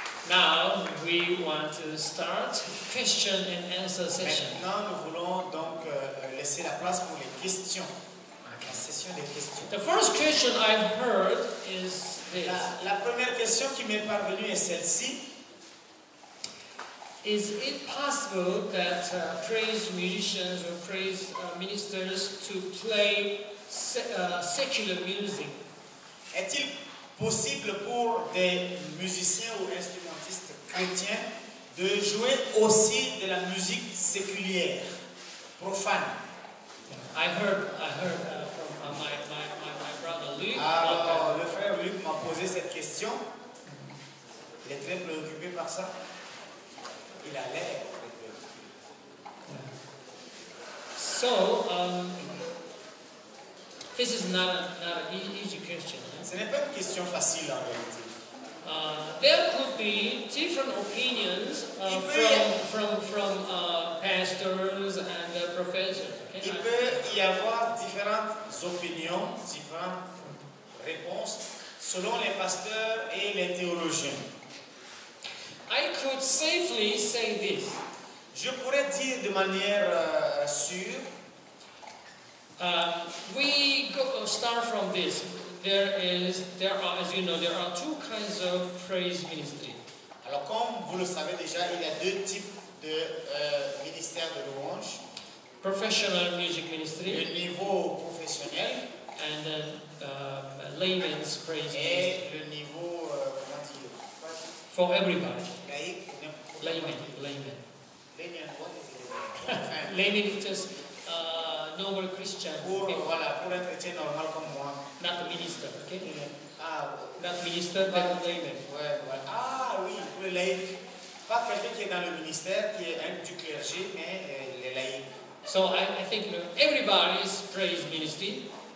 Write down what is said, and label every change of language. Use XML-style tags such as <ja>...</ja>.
<en>Now we want to start question and answer session.</en> <fr>Maintenant, nous voulons donc laisser la place pour les questions. La session des questions.</fr> <en>The first question I've heard is this.</en> <fr>La première question qui m'est parvenue est celle-ci.</fr> <en>Is it possible that praise musicians or praise ministers to play secular music?</en> <fr>Est-il possible pour des musiciens ou instrumentistes chrétiens de jouer aussi de la musique séculière, profane?</fr> <en>I heard from my brother Luke.</en> <fr>Alors, le frère Luke m'a posé cette question. Il est très préoccupé par ça. Il a l'air.</fr> <en>So, this is not an easy question.</en> <fr>Ce n'est pas une question facile en réalité.</fr> <en>There could be different opinions from pastors and professors. Okay?</en> <fr>Il peut y avoir différentes opinions, différentes réponses selon les pasteurs et les théologiens.</fr> <en>I could safely say this.</en> <fr>Je pourrais dire de manière sûre.</fr> <en>We go start from this. There are, as you know, there are two kinds of praise ministry.</en> <fr>Alors, comme vous le savez déjà, il y a deux types de ministère de louange.</fr> <en>Professional music ministry.</en> <fr>Le niveau professionnel.</fr> <en>And then layman's praise</en> <fr>et</fr> <en>ministry.</en> <fr>Et le niveau comment dire?</fr> <en>For everybody.</en> <fr>Laïque.</fr> <en>Layman. Layman, what is it? Layman is just normal Christian.</en> <fr>Pour un chrétien normal comme moi.</fr> <en>Not a minister, okay? Yeah. Not minister, but a layman.</en> <fr>Pour les laïcs. Pas quelqu'un qui est dans le ministère, qui est un du clergé, mais les laïcs.</fr> <en>So I think everybody is praise ministry.</en>